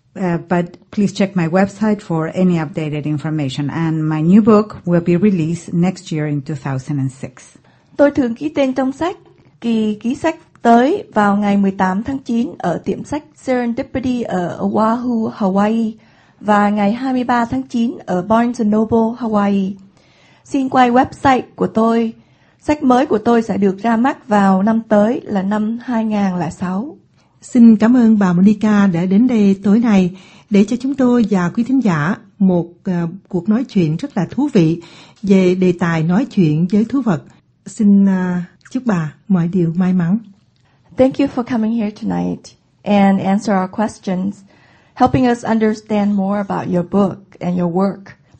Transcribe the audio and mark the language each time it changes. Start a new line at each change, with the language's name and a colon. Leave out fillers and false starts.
English: But please check my website for any updated information. And my new book will be released next year in 2006.
Vietnamese: Tôi thường ký tên trong sách, kỳ ký sách tới vào ngày 18 tháng 9 ở tiệm sách Serendipity ở Oahu, Hawaii, và ngày 23 tháng 9 ở Barnes & Noble, Hawaii. Xin quay website của tôi. Sách mới của tôi sẽ được ra mắt vào năm tới là năm 2006. Xin cảm ơn bà Monica đã đến đây tối nay để cho chúng tôi và quý thính giả một cuộc nói chuyện rất là thú vị về đề tài nói chuyện với thú vật. Xin chúc bà mọi điều may mắn.
English: Thank you for coming here tonight and answer our questions, helping us understand more about your book and your work.